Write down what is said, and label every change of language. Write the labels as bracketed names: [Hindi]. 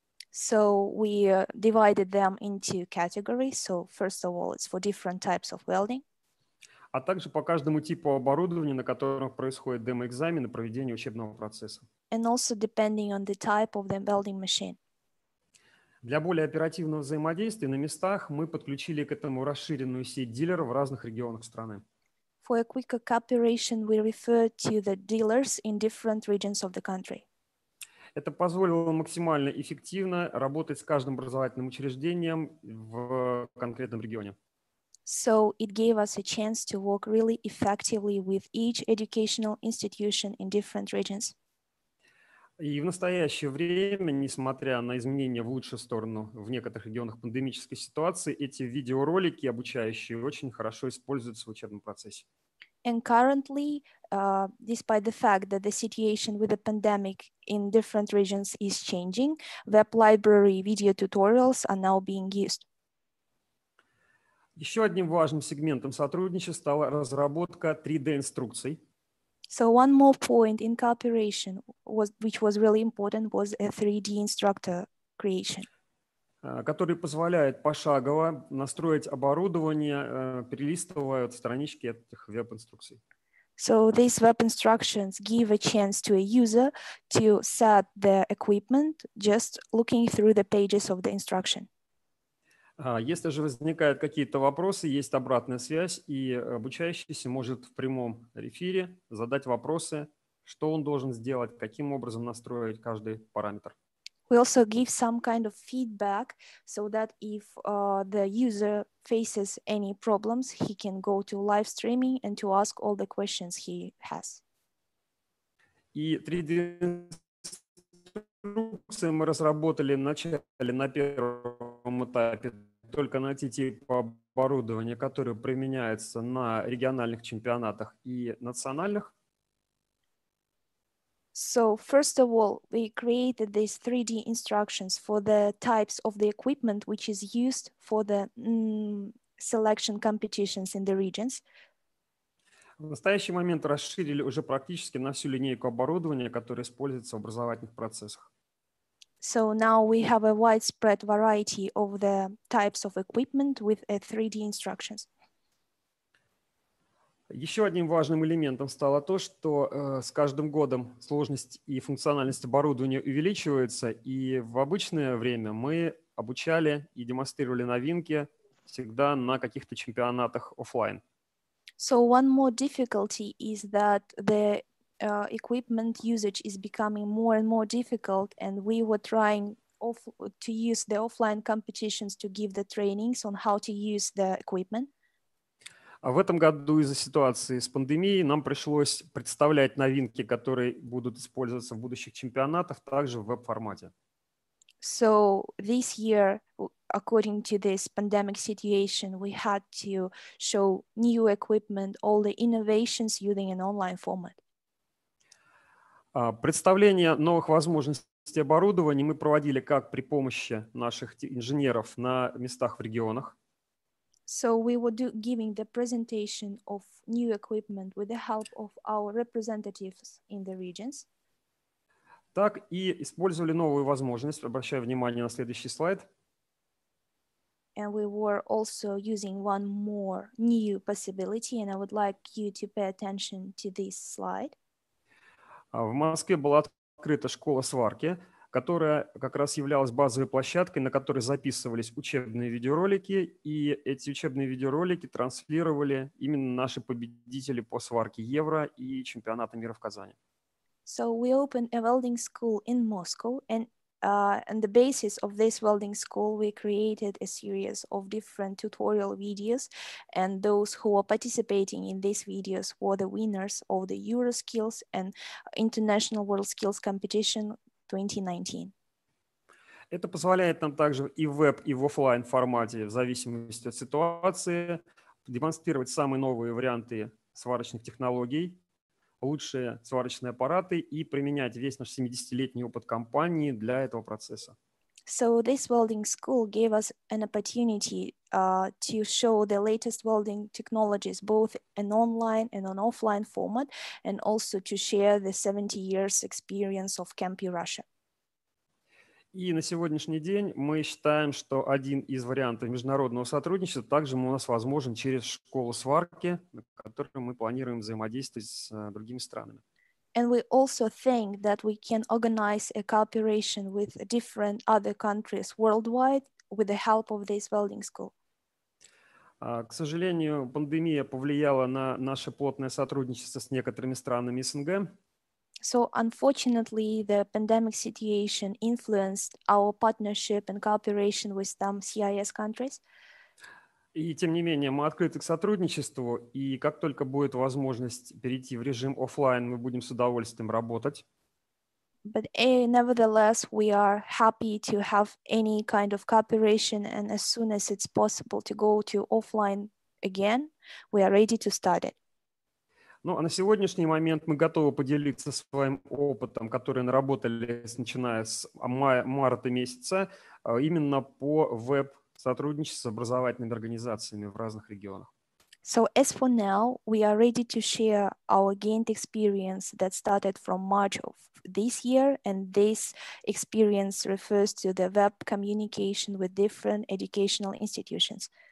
[English] So we divided them into categories. So first of all, it's for different types of welding. [Russian] А также по каждому типу оборудования, на котором происходит демоэкзамен и проведение учебного процесса. [English] And also depending on the type of the welding machine. [Russian] Для более оперативного взаимодействия на местах мы подключили к этому расширенную сеть дилеров в разных регионах страны. [English] For a quicker cooperation, we referred to the dealers in different regions of the country. [Russian] Это позволило максимально эффективно работать с каждым образовательным учреждением в конкретном регионе. [English] So it gave us a chance to work really effectively with each educational institution in different regions. [Russian] И в настоящее время, несмотря на изменения в лучшую сторону в некоторых регионах пандемической ситуации, эти видеоролики обучающие очень хорошо используются в учебном процессе. [English] And currently, despite the fact that the situation with the pandemic in different regions is changing, web library video tutorials are now being used. [Russian] Еще одним важным сегментом сотрудничества стала разработка 3D-инструкций. [English] So one more point in cooperation, which was really important, was a 3D instructor creation. [Russian] Который позволяет пошагово настроить оборудование, перелистывая странички этих веб-инструкций. [English] So these web instructions give a chance to a user to set the equipment just looking through the pages of the instruction. [Russian] Если же возникают какие-то вопросы, есть обратная связь, и обучающийся может в прямом эфире задать вопросы, что он должен сделать, каким образом настроить каждый параметр. [English] We also give some kind of feedback so that if the user faces any problems, he can go to live streaming and to ask all the questions he has. [Russian] И 3D-инструкции мы разработали в начале на первом этапе. Только найти тип оборудования, которое применяется на региональных чемпионатах и национальных. [English] So, first of all, we created these 3D instructions for the types of the equipment which is used for the selection competitions in the regions. [Russian] В настоящий момент расширили уже практически на всю линейку оборудования, которое используется в образовательных процессах. [English] So now we have a widespread variety of the types of equipment with 3D instructions. [Russian] Еще одним важным элементом стало то, что с каждым годом сложность и функциональность оборудования увеличивается, и в обычное время мы обучали и демонстрировали новинки всегда на каких-то чемпионатах офлайн. [English] So one more difficulty is that the equipment usage is becoming more and more difficult, and we were trying to use the offline competitions to give the trainings on how to use the equipment. [Russian] А в этом году из-за ситуации с пандемией нам пришлось представлять новинки, которые будут использоваться в будущих чемпионатах, также в веб-формате. [English] So this year, according to this pandemic situation, we had to show new equipment, all the innovations using an online format. [Russian] Представление новых возможностей оборудования мы проводили как при помощи наших инженеров на местах в регионах. [English] So we were giving the presentation of new equipment with the help of our representatives in the regions. [Russian] Так и использовали новую возможность, обращая внимание на следующий слайд. [English] And we were also using one more new possibility, and I would like you to pay attention to this slide. [Russian] В Москве была открыта школа сварки, которая как раз являлась базовой площадкой, на которой записывались учебные видеоролики, и эти учебные видеоролики транслировали именно наши победители по сварке Евро и чемпионата мира в Казани. [English] So we opened a welding school in Moscow, and on the basis of this welding school, we created a series of different tutorial videos, and those who were participating in these videos were the winners of the EuroSkills and International WorldSkills competition 2019. [Russian] Это позволяет нам также и в веб, и в офлайн формате, в зависимости от ситуации, демонстрировать самые новые варианты сварочных технологий, лучшие сварочные аппараты и применять весь наш 70-летний опыт компании для этого процесса. [English] So this welding school gave us an opportunity to show the latest welding technologies both in online and on offline format, and also to share the 70 years experience of Campi Russia. [Russian] И на сегодняшний день мы считаем, что один из вариантов международного сотрудничества также у нас возможен через школу сварки, на которой мы планируем взаимодействовать с другими странами. [English] And we also think that we can organize a cooperation with different other countries worldwide with the help of this welding school. [Russian] К сожалению, пандемия повлияла на наше плотное сотрудничество с некоторыми странами СНГ. [English] So unfortunately, the pandemic situation influenced our partnership and cooperation with some CIS countries. [Russian] И тем не менее, мы открыты к сотрудничеству, и как только будет возможность перейти в режим офлайн, мы будем с удовольствием работать. [English] But nevertheless, we are happy to have any kind of cooperation, and as soon as it's possible to go to offline again, we are ready to start it. [Russian] Ну, а на сегодняшний момент мы готовы поделиться своим опытом, который наработали, начиная с марта месяца, именно по веб сотрудничество с образовательными организациями в разных регионах. [English] So as for now, we are ready to share our gained experience that started from March of this year, and this experience refers to the web communication with different educational institutions.